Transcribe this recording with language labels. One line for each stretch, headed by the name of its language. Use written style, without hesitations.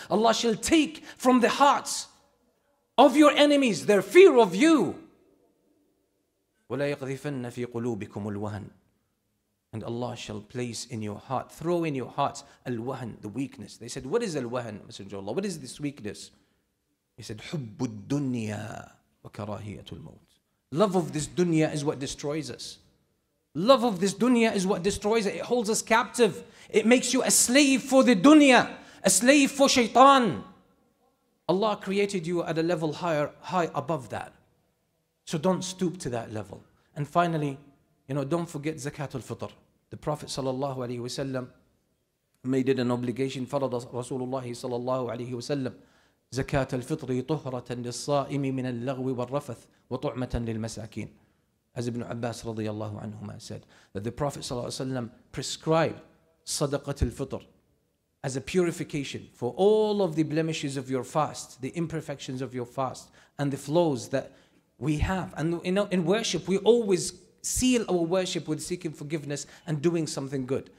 English: Allah shall take from the hearts of your enemies their fear of you.
Arabic: وَلَيَقْذِفَنَّ فِي قُلُوبِكُمُ الْوَهَنْ.
English: And Allah shall place in your heart, throw in your hearts, الْوَهَنْ, the weakness. They said, what is الْوَهَنْ, Messenger of Allah? What is this weakness? He said,
Arabic: حُبُّ الدُّنْيَا وَكَرَاهِيَةُ الْمَوْتِ.
English: Love of this dunya is what destroys us. Love of this dunya is what destroys it. It holds us captive. It makes you a slave for the dunya, a slave for shaitan. Allah created you at a level higher, high above that. So don't stoop to that level. And finally, you know, don't forget Zakatul Fitr. The Prophet sallallahu alayhi wa sallam made it an obligation.
Arabic: فرض رسولullah sallallahu alayhi wa sallam زكاة الفطر طهرة للصائم من اللغو والرفث وطعمة للمساكين.
English: As Ibn Abbas
Arabic: رضي الله عنهما
English: said, that the Prophet
Arabic: صلى الله عليه وسلم
English: prescribed صدقة الفطر as a purification for all of the blemishes of your fast, the imperfections of your fast, and the flaws that we have. And in worship, we always seal our worship with seeking forgiveness and doing something good.